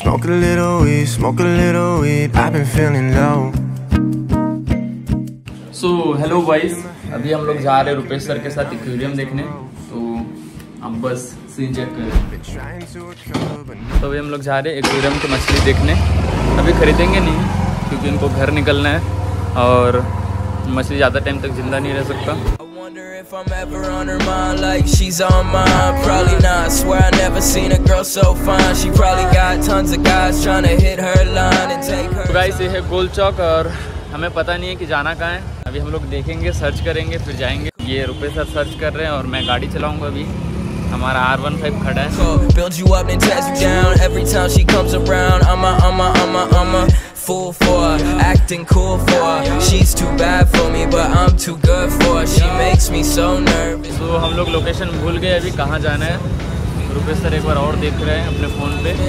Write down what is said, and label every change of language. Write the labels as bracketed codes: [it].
[en] a little weed, smoke a little weed. I've been feeling low. So hello boys, [hi] अभी हम लोग जा रहे हैं रुपेश सर के साथ एक्वेरियम देखने, तो हम बस सीन चेक कर रहे हैं। तो अभी हम लोग जा रहे हैं एक्वेरियम की मछली देखने। अभी खरीदेंगे नहीं क्योंकि इनको घर निकलना है और मछली ज़्यादा टाइम तक जिंदा नहीं रह सकता। [en] If I'm ever on her mind like she's on mine, probably not. Swear I never seen a girl so fine. She probably got tons of guys trying to hit her line and take her. [hi] Guys, ये है गोल चौक और हमें पता नहीं है कि जाना कहाँ है। अभी हम लोग देखेंगे, सर्च करेंगे, फिर जाएंगे। ये रुपए सर सर्च कर रहे हैं और मैं गाड़ी चलाऊंगा। अभी हमारा R15 खड़ा है। [en] Build you up and test you down. Every time she comes around, I'ma fool for her, acting cool for her. She's too bad for me, but I'm too good for her. She makes me so nervous. So, [hi] हम लोग location भूल गए, अभी कहाँ जाना है? Rupesh sir एक बार और देख रहे हैं अपने फोन पे।